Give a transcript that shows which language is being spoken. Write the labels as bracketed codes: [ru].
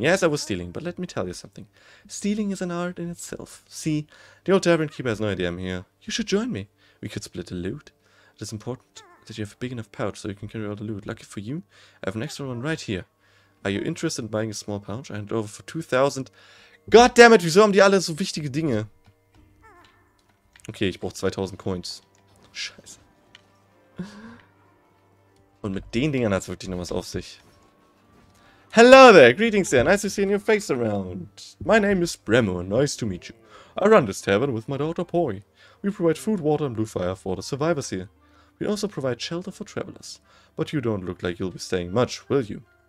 [en] Yes, I was stealing, but let me tell you something. Stealing is an art in itself. See, the old tavern keeper has no idea I'm here. You should join me. We could split the loot. It is important that you have a big enough pouch so you can carry all the loot. Lucky for you, I have an extra one right here. Are you interested in buying a small pouch? I hand it over for 2000. [de] Goddammit, wieso haben die alle so wichtige Dinge? Okay, ich brauche 2000 Coins. Scheiße. Und mit den Dingern hat es wirklich noch was auf sich. [en] Hello there, greetings there, nice to see your face around. My name is Bremo, nice to meet you. I run this tavern with my daughter Poi. We provide food, water and blue fire for the survivors here. We also provide shelter for travelers. But you don't look like you'll be staying much, will you?